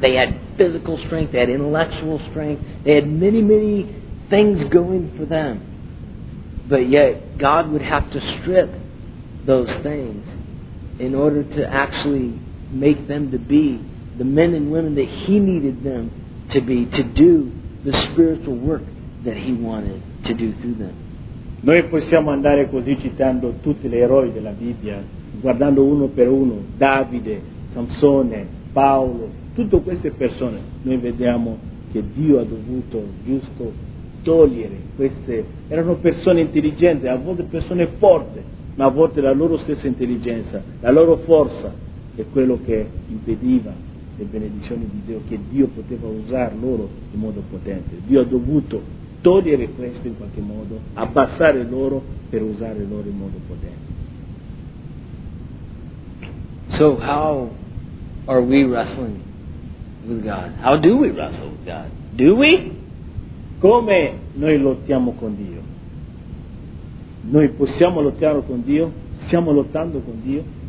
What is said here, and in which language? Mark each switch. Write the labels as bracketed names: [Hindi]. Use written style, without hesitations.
[English] They had physical strength, they had intellectual strength, they had many, many things going for them. But yet, God would have to strip those things in order to actually make them to be the men and women that he needed them to be, to do the spiritual work that he wanted to do through them. [Italian] Noi possiamo andare così citando tutti gli eroi della Bibbia, guardando uno per uno, Davide, Samsone, Paolo, tutte queste persone. Noi vediamo che Dio ha dovuto giusto togliere queste, erano persone intelligenti, a volte persone forti, ma a volte la loro stessa intelligenza, la loro forza, è quello che impediva le benedizioni di Dio, che Dio poteva usare loro in modo potente. Dio ha dovuto togliere questo in qualche modo, abbassare loro per usare loro in modo potente. [English] So how are we wrestling with God? How do we wrestle with God? Do we? [Italian] Come noi lottiamo con Dio? Noi possiamo lottare con Dio? Stiamo lottando con Dio?